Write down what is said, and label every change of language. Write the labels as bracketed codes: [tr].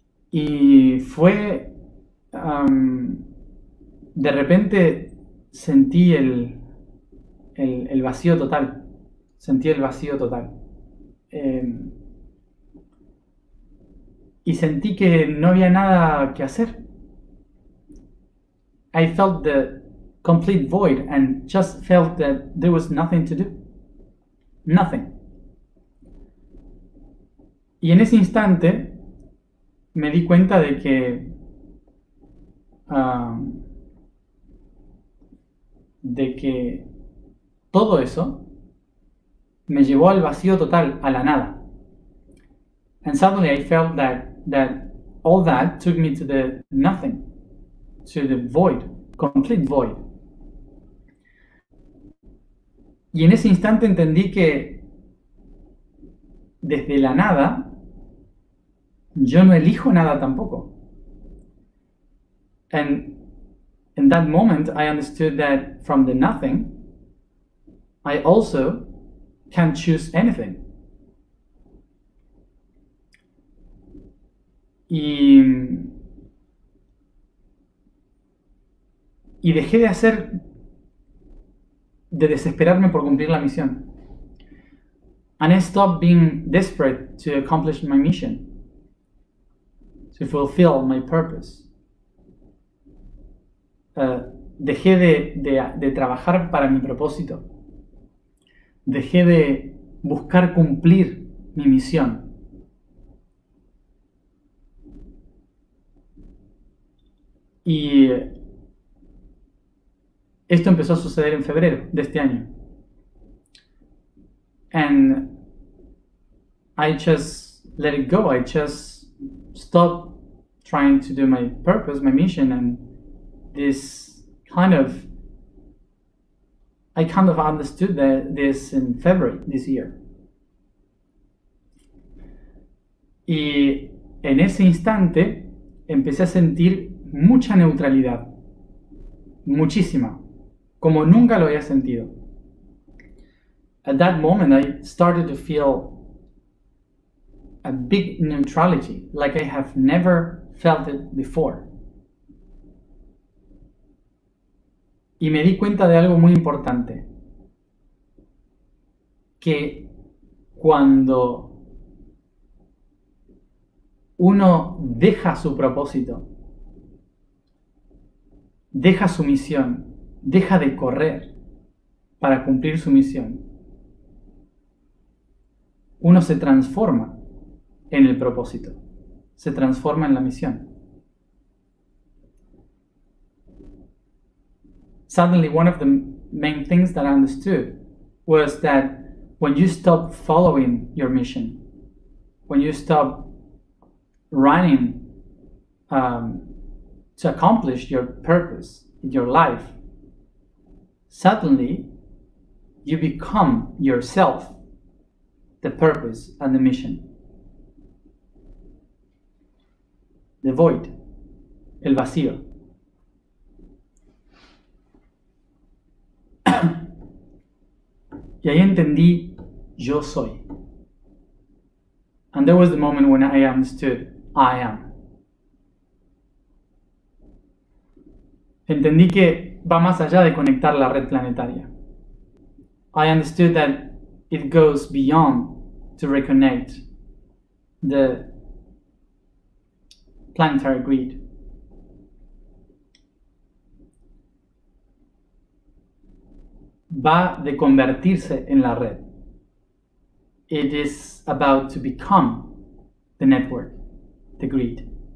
[es] Y fue, de repente sentí el vacío total, sentí el vacío total. Y sentí que no había nada que hacer. [en] I felt the complete void and just felt that there was nothing to do. Nothing. [es] Y en ese instante me di cuenta de que todo eso me llevó al vacío total, a la nada. [en] And suddenly I felt that all that took me to the nothing, to the void, complete void. [es] Y en ese instante entendí que desde la nada yo no elijo nada tampoco. [en] And in that moment, I understood that from the nothing, I also can't choose anything. [es] Y dejé de hacer, de desesperarme por cumplir la misión. [en] And I stopped being desperate to accomplish my mission. To fulfill my purpose. [es] Dejé de trabajar para mi propósito. Dejé de buscar cumplir mi misión. Y esto empezó a suceder en febrero de este año. [en] And I just let it go. I just stopped trying to do my purpose, my mission, and this kind of, I kind of understood that this in February this year. [es] Y en ese instante empecé a sentir mucha neutralidad, muchísima, como nunca lo había sentido. [en] At that moment, I started to feel a big neutrality, like I have never felt it before. [es] Y me di cuenta de algo muy importante, que cuando uno deja su propósito, deja su misión, deja de correr para cumplir su misión, uno se transforma en el propósito, se transforma en la misión. [en] Suddenly, one of the main things that I understood was that when you stop following your mission, when you stop running to accomplish your purpose in your life, suddenly you become yourself, the purpose and the mission. The void, [es] el vacío. Y ahí entendí, yo soy. [en] And there was the moment when I understood, I am. [es] Entendí que va más allá de conectar la red planetaria. [en] I understood that it goes beyond to reconnect the planetary grid. [es] Va de convertirse en la red. [en] It is about to become the network, the grid.